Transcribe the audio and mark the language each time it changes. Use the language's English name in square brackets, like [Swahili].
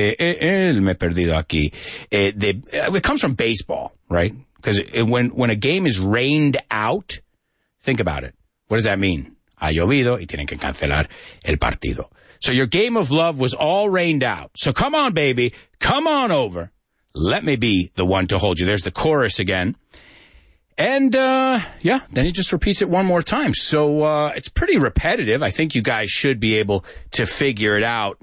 [English] it comes from baseball, right? Because when a game is rained out, think about it. What does that mean? [Spanish] Ha llovido y tienen que cancelar el partido. [English] So your game of love was all rained out. So come on, baby. Come on over. Let me be the one to hold you. There's the chorus again. And, yeah, then he just repeats it one more time. So, it's pretty repetitive. I think you guys should be able to figure it out.